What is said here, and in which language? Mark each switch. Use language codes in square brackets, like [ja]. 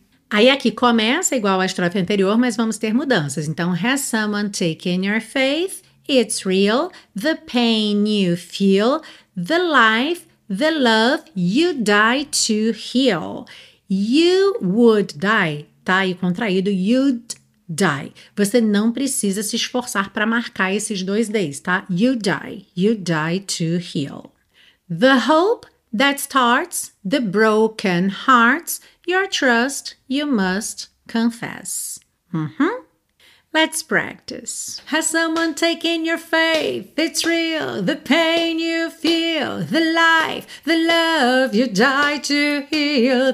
[pt] Aí aqui começa igual à estrofe anterior, mas vamos ter mudanças. Então, [en] has someone taken your faith? It's real. The pain you feel. The life, the love you die to heal. You would die. [pt] Tá aí contraído. [en] You'd die. [pt] Você não precisa se esforçar para marcar esses dois D's, tá? [en] You die. You die to heal. The hope that starts the broken hearts. Your trust, you must confess. Mm-hmm. Let's practice. Has someone taken your faith? It's real. The pain you feel. The life, the love you die to heal.